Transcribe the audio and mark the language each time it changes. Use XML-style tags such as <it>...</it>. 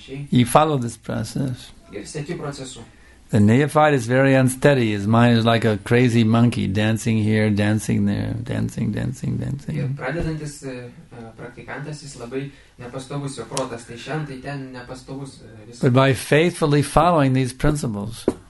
<en>You follow this process. The neophyte is very unsteady. His mind is like a crazy monkey, dancing here, dancing there, dancing, dancing, dancing.</en> <lt>Pradedantis praktikantas, jis labai nepastovus jo protas, tai šiandien, tai ten nepastovus.</lt> <en>But by faithfully following these principles,</en>